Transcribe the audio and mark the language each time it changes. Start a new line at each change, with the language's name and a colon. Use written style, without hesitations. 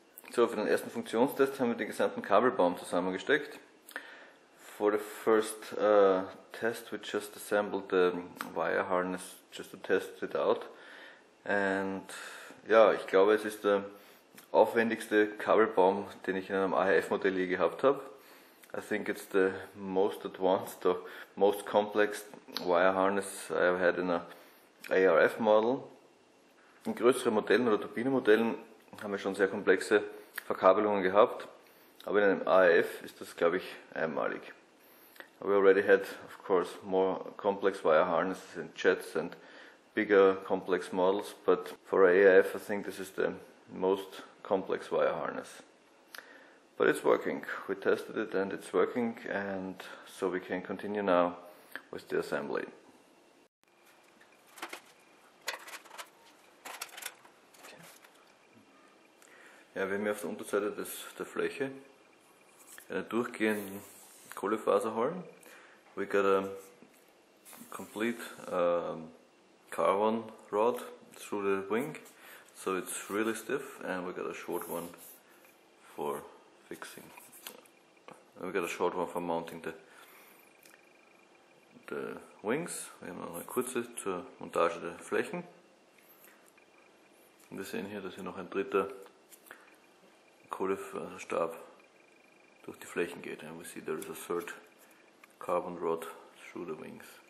German: So, für den ersten Funktionstest haben wir den gesamten Kabelbaum zusammengesteckt.
English: For the first test we just assembled the wire harness just to test it out.
German: And ja, ich glaube es ist der aufwendigste Kabelbaum, den ich in einem AHF Modell je gehabt habe.
English: I think it's the most advanced or most complex wire harness I have had in a ARF model.
German: In größeren Modellen oder Turbinenmodellen haben wir schon sehr komplexe Verkabelungen gehabt, aber in einem AF ist das, glaube ich, einmalig.
English: We already had, of course, more complex wire harnesses and jets and bigger complex models, but for AF, I think this is the most complex wire harness. But it's working. We tested it and it's working, and so we can continue now with the assembly.
German: Ja, wir haben hier auf der Unterseite der Fläche einen durchgehenden Kohlefaserholm.
English: We got a complete carbon rod through the wing, so it's really stiff, and we got a short one for fixing. And we got a short one for mounting the wings.
German: Wir haben noch eine kurze zur Montage der Flächen. Und wir sehen hier, dass hier noch ein dritter Kohlefaserstab durch die Flächen geht.
English: And we see there is a third carbon rod through the wings.